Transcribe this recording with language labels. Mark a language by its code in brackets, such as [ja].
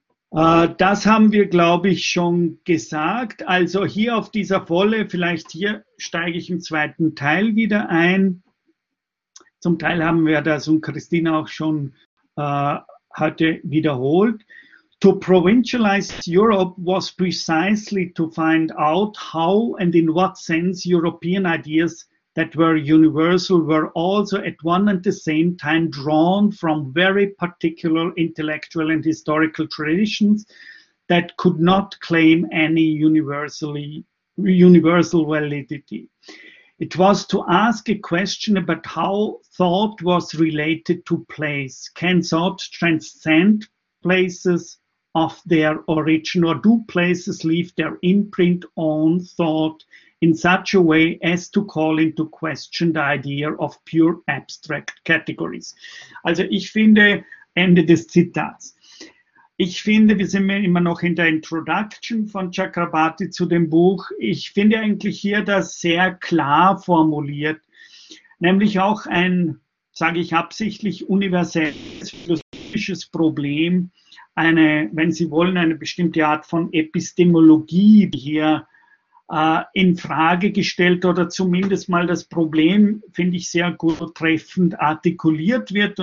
[de] Das haben wir, glaube ich, schon gesagt. Also hier auf dieser Folie, vielleicht hier steige ich im zweiten Teil wieder ein. Zum Teil haben wir das und Christina auch schon heute wiederholt. [en] To provincialize Europe was precisely to find out how and in what sense European ideas that were universal were also at one and the same time drawn from very particular intellectual and historical traditions that could not claim any universal validity. It was to ask a question about how thought was related to place. Can thought transcend places of their origin, or do places leave their imprint on thought in such a way as to call into question the idea of pure abstract categories? [de] Also ich finde, Ende des Zitats. Ich finde, wir sind immer noch in der Introduction von Chakrabarty zu dem Buch. Ich finde eigentlich hier das sehr klar formuliert, nämlich auch ein, sage ich absichtlich, universelles philosophisches Problem, eine, wenn Sie wollen, eine bestimmte Art von Epistemologie hier in Frage gestellt oder zumindest mal das Problem, finde ich, sehr gut treffend artikuliert wird.